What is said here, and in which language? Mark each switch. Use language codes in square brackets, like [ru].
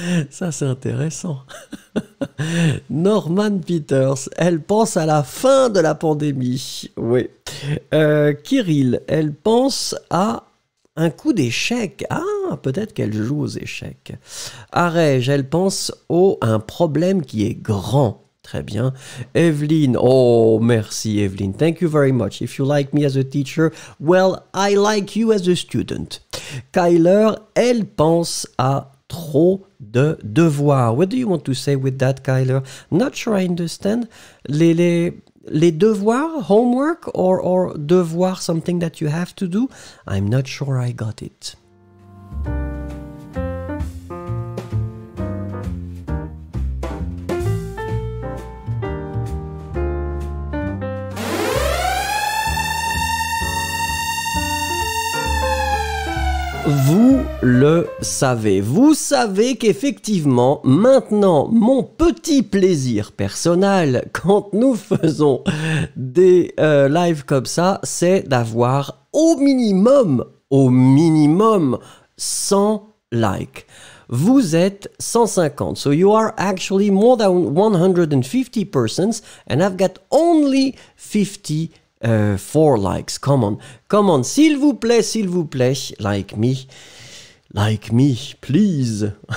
[fr] Ça, c'est intéressant. Norman Peters, elle pense à la fin de la pandémie. Oui. Kirill, elle pense à un coup d'échec. Ah, peut-être qu'elle joue aux échecs. Arège, elle pense à un problème qui est grand. Très bien. Evelyne, oh, merci Evelyne. [en] Thank you very much. If you like me as a teacher, well, I like you as a student. [fr] Kyler, elle pense à trop de devoirs. [en] What do you want to say with that, Kyler? Not sure I understand. Les devoirs, homework, or devoir, something that you have to do? I'm not sure I got it. [fr] Vous le savez. Vous savez qu'effectivement, maintenant, mon petit plaisir personnel, quand nous faisons des lives comme ça, c'est d'avoir au minimum, 100 likes. Vous êtes 150. [en] So you are actually more than 150 persons and I've got only 50 four likes, come on, [fr] s'il vous plaît, [en] like me, please.